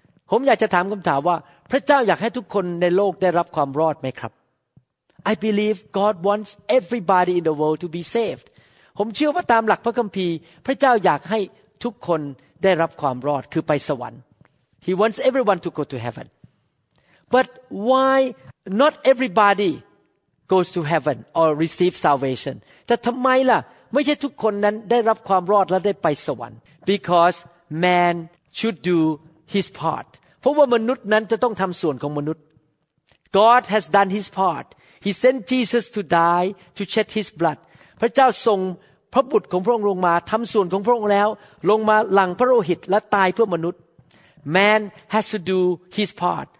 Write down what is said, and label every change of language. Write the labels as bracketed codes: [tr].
[th] ผมอยากจะถามคำถามว่าพระเจ้าอยากให้ทุกคนในโลกได้รับความรอดไหมครับ [en] I believe God wants everybody in the world to be saved. [th] ผมเชื่อว่าตามหลักพระคัมภีร์พระเจ้าอยากให้ทุกคนได้รับความรอดคือไปสวรรค์ [en] He wants everyone to go to heaven. But why not everybody goes to heaven or receive salvation? [th] แต่ทำไมล่ะไม่ใช่ทุกคนนั้นได้รับความรอดและได้ไปสวรรค์ [en] Because man should do his part. [th] เพราะว่ามนุษย์นั้นจะต้องทำส่วนของมนุษย์ [en] God has done his part. He sent Jesus to die to shed his blood. [th] พระเจ้าส่งพระบุตรของพระองค์ลงมาทำส่วนของพระองค์แล้วลงมาหลั่งพระโลหิตและตายเพื่อมนุษย์ [en] Man has to do his part.